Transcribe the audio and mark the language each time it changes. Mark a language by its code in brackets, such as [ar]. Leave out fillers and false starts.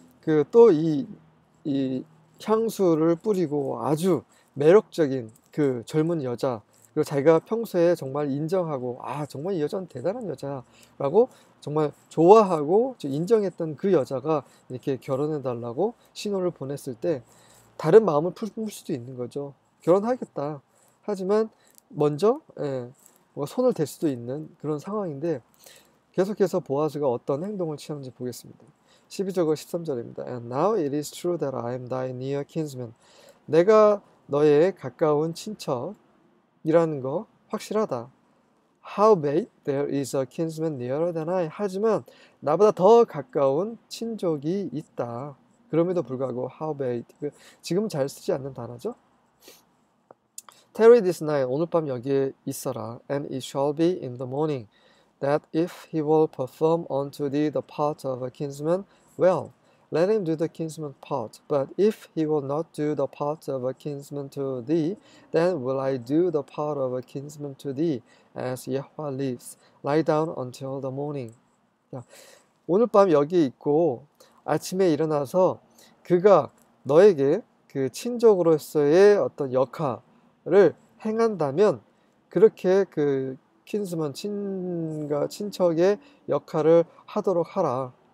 [ko] 그또이 향수를 뿌리고 아주 매력적인 그 젊은 여자, 그리고 자기가 평소에 정말 인정하고, 아, 정말 이 여자는 대단한 여자라고 정말 좋아하고 인정했던 그 여자가 이렇게 결혼해 달라고 신호를 보냈을 때 다른 마음을 품을 수도 있는 거죠. 결혼하겠다. 하지만 먼저 뭐 손을 댈 수도 있는 그런 상황인데, 계속해서 보아스가 어떤 행동을 취하는지 보겠습니다. 12절과 13절입니다. [en] And now it is true that I am thy near kinsman. [ko] 내가 너의 가까운 친척이라는 거 확실하다. [en] Howbeit there is a kinsman nearer than I. [ko] 하지만 나보다 더 가까운 친족이 있다. 그럼에도 불구하고 Howbeit. 지금은 잘 쓰지 않는 단어죠? [en] Tarry this night. [ko] 오늘 밤 여기에 있어라. [en] And it shall be in the morning that if he will perform unto thee the part of a kinsman, well, let him do the kinsman part, but if he will not do the part of a kinsman to thee, then will I do the part of a kinsman to thee, as Yahweh lives. Lie down until the morning. [ko] 자, 오늘 밤 여기 있고 아침에 일어나서 그가 너에게 그 친족으로서의 어떤 역할을 행한다면 그렇게 그 킨스먼 친가 친척의 역할을 하도록 하라.